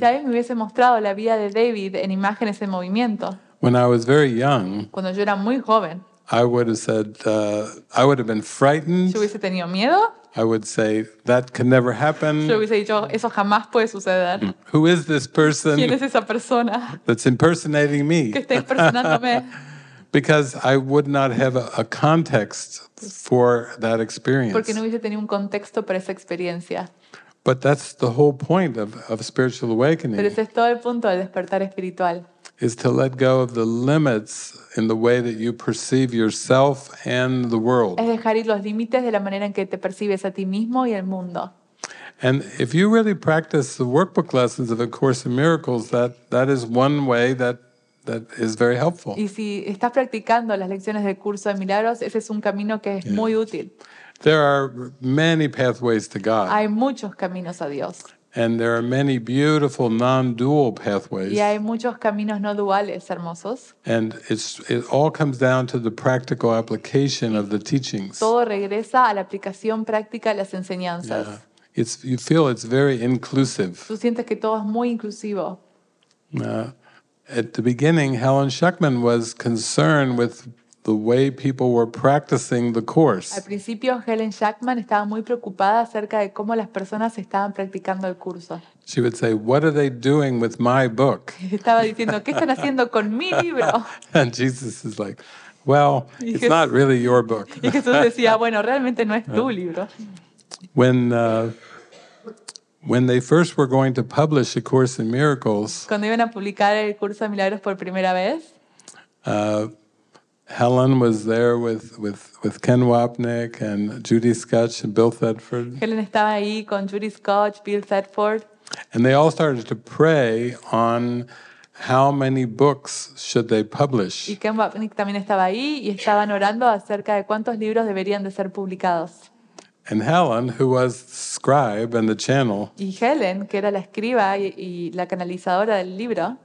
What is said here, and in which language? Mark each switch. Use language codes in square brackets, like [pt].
[es] Si alguien me hubiese mostrado la vida de David en imágenes en movimiento. [en] When I was very young. [es] Cuando yo era muy joven. [en] I would have said I would have been frightened. [es] Yo hubiese tenido miedo. [en] I would say that can never happen. [es] Yo hubiese dicho, eso jamás puede suceder. [en] Who is this person? [es] ¿Quién es esa persona? [en] That's impersonating me. [es] Que está impersonándome. [en] Because I would not have a context for that experience. [es] Porque no hubiese tenido un contexto para esa experiencia. [en] But that's the whole point of spiritual awakening. [es] Pero ese es todo el punto del despertar espiritual. [en] Is to let go of the limits in the way that you perceive yourself and the world. [es] Es dejar ir los límites de la manera en que te percibes a ti mismo y el mundo. [en] And if you really practice the workbook lessons of A Course in Miracles, that is one way that is very helpful. [es] Y si estás practicando las lecciones del curso de milagros, ese es un camino que es muy útil. [en] There are many pathways to God. [es] Hay muchos caminos a Dios. [en] And there are many beautiful non-dual pathways. [es] Y hay muchos caminos no duales hermosos. [en] And it all comes down to the practical application of the teachings. [es] Todo regresa a la aplicación práctica de las enseñanzas. [en] Yeah. You feel it's very inclusive. [es] Tú sientes que todo es muy inclusivo. [en] At the beginning, Helen Schuckman was concerned with the way people were practicing the course. [es] Al principio, Helen Schuckman estaba muy preocupada acerca de cómo las personas estaban practicando el curso. [en] She would say, "What are they doing with my book?" [es] Estaba diciendo, ¿qué están haciendo con mi libro? [en] And Jesus is like, "Well, it's not really your book." [es] Y Jesús decía, bueno, realmente no es tu libro. [en] When they first were going to publish A Course in Miracles. [es] Cuando iban a publicar el curso de milagros por primera vez. [en] Helen was there with Ken Wapnick and Judy Scotch and Bill Thetford. [es] Helen estaba ahí con Judy Scotch, Bill Thetford. [en] And they all started to pray on how many books should they publish. [es] Y Ken Wapnick también estaba ahí y estaban orando acerca de cuántos libros deberían de ser publicados. [en] And Helen, who was the scribe and the channel. [es] Y Helen, que era la escriba y la canalizadora del libro.